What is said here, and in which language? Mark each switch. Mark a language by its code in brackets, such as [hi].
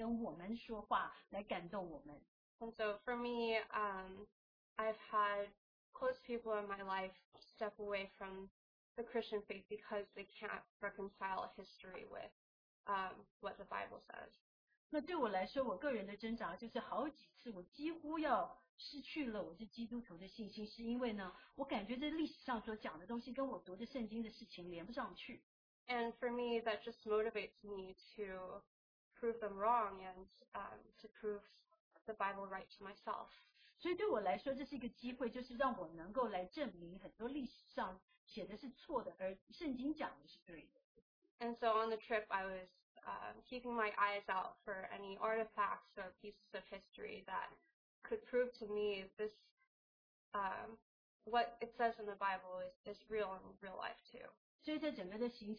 [zh] 那我相信神知道我们每个人个人所经历的是什么，所以在这个行程中呢，他用他的方法来跟我们说话，来感动我们。 [en] And so for me, I've had close people in my life step away from the Christian faith because they can't reconcile history with what the Bible says. [zh] 那对我来说，我个人的挣扎就是好几次，我几乎要失去了我这基督徒的信心，是因为呢，我感觉这历史上所讲的东西跟我读的圣经的事情连不上去。And [en] for me, that just motivates me to prove them wrong and to prove the Bible right to myself. [zh] 所以对我来说，这是一个机会，就是让我能够来证明很多历史上写的是错的，而圣经讲的是对的。And [en] so on the trip, I was keeping my eyes out for any artifacts or pieces of history that could prove to me this what it says in the Bible is real in real life too.